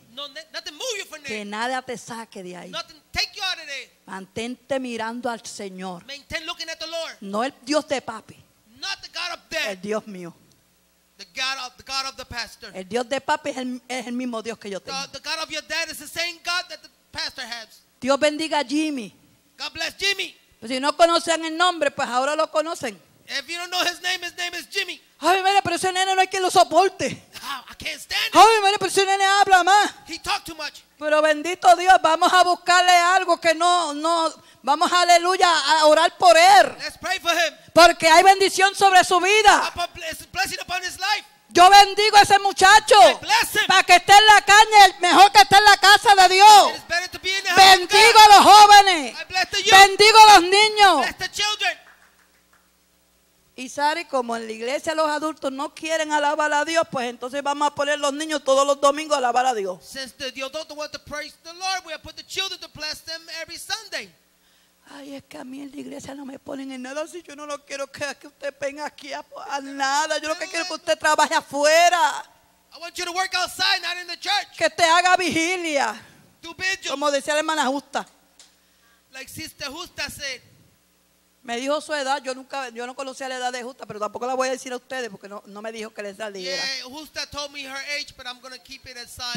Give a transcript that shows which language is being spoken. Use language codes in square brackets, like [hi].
[en] No, nothing move you from there. [es] Que nada te saque de ahí. [en] Nothing take you out of there. [es] Mantente mirando al Señor. [en] Maintain looking at the Lord. [es] No el Dios de papi. [en] Not the God of dad. [es] El Dios mío. [en] The God of the pastor. [es] El Dios de papi es el mismo Dios que yo tengo. [en] The God of your dad is the same God that the pastor has. [es] Dios bendiga a Jimmy. [en] God bless Jimmy. [es] Pues si no conocen el nombre, pues ahora lo conocen. [en] If you don't know his name is Jimmy. [es] Ay, mire, pero ese nene no hay quien lo soporte. [en] I can't stand it. [es] Ay, mire, pero ese nene habla más. [en] He talked too much. [es] Pero bendito Dios, vamos a buscarle algo que no. Vamos, aleluya, a orar por él. [en] Let's pray for him. [es] Porque hay bendición sobre su vida. [en] It's a blessing upon his life. [es] Yo bendigo a ese muchacho. [en] Bless him. [es] Para que esté en la carne, mejor que esté en la casa de Dios. [en] It is better to be in the house. [es] Bendigo a los jóvenes. [en] I bless the youth. [es] Bendigo a los niños. [en] Bless the children. [es] Y Sari, como en la iglesia los adultos no quieren alabar a Dios, pues entonces vamos a poner los niños todos los domingos a alabar a Dios. [en] Since the adults don't want to praise the Lord, we have put the children to bless them every Sunday. [es] Ay, es que a mí en la iglesia no me ponen en nada, si yo no lo quiero que usted venga aquí a nada. Yo lo que quiero es que usted trabaje afuera. [en] I want you to work outside, not in the church. [es] Que usted haga vigilia. [en] Do vigil. [es] Como decía la hermana Justa. [en] Like Sister Justa said. [es] Me dijo su edad, yo no conocía la edad de Justa, pero tampoco la voy a decir a ustedes porque no me dijo que les saliera. [en] Yeah, Justa told me her age, but I'm going to keep it aside.